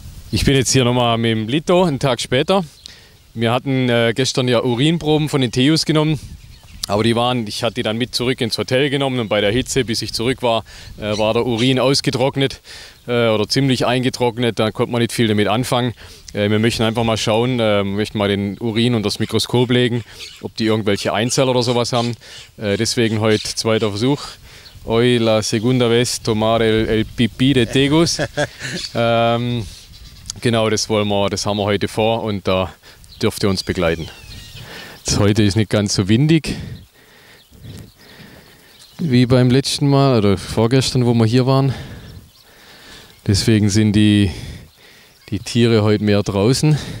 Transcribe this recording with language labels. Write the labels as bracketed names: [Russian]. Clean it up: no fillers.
[German] Ich bin jetzt hier nochmal mit dem Lito, einen Tag später. Wir hatten gestern ja Urinproben von den Teos genommen, aber ich hatte die dann mit zurück ins Hotel genommen und bei der Hitze, bis ich zurück war, war der Urin ausgetrocknet oder ziemlich eingetrocknet, da konnte man nicht viel damit anfangen. Wir möchten einfach mal schauen, möchten mal den Urin unter das Mikroskop legen, ob die irgendwelche Einzeller oder sowas haben. Deswegen heute zweiter Versuch. [Spanish] Hoy la segunda vez tomar el pipí de Tegus. [German] Genau, das haben wir heute vor und da dürft ihr uns begleiten. Jetzt heute ist nicht ganz so windig wie beim letzten Mal oder vorgestern, wo wir hier waren. Deswegen sind die Tiere heute mehr draußen.